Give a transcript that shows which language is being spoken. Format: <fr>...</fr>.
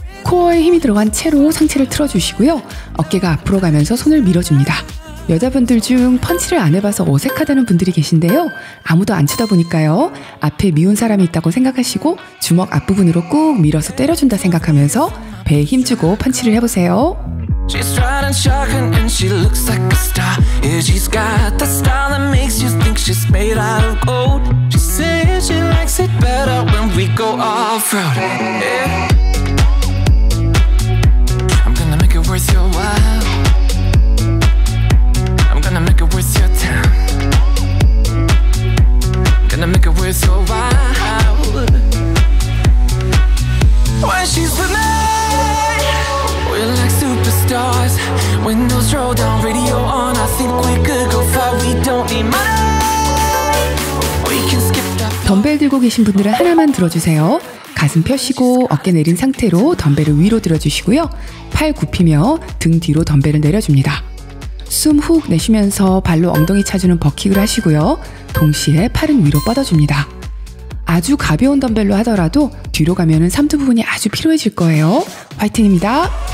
<ko>코어에 힘이 들어간 채로 상체를 틀어주시고요. 어깨가 앞으로 가면서 손을 밀어줍니다. 여자분들 중 펀치를 안 해봐서 어색하다는 분들이 계신데요. 아무도 안 쳐다보니까요. 앞에 미운 사람이 있다고 생각하시고 주먹 앞부분으로 꾹 밀어서 때려준다 생각하면서 배에 힘주고 펀치를 해보세요.</ko> <en>She's bright and shocking and she looks like a star. Yeah, she's got the style that makes you think she's made out of gold. She says she likes it better when we go off-road. Yeah. I'm gonna make it worth your while. I'm gonna make it worth your time. Gonna make it worth your while. When she's with me. We're like superstars. Windows roll down, radio on. I think we could go far. We don't need money. We can skip the.</en> <ko>덤벨 들고 계신 분들은 하나만 들어주세요. 가슴 펴시고 어깨 내린 상태로 덤벨을 위로 들어주시고요. 팔 굽히며 등 뒤로 덤벨을 내려줍니다. 숨 훅 내쉬면서 발로 엉덩이 차주는 버킥을 하시고요. 동시에 팔은 위로 뻗어줍니다. 아주 가벼운 덤벨로 하더라도 뒤로 가면은 삼두 부분이 아주 피로해질 거예요. 화이팅입니다.</ko>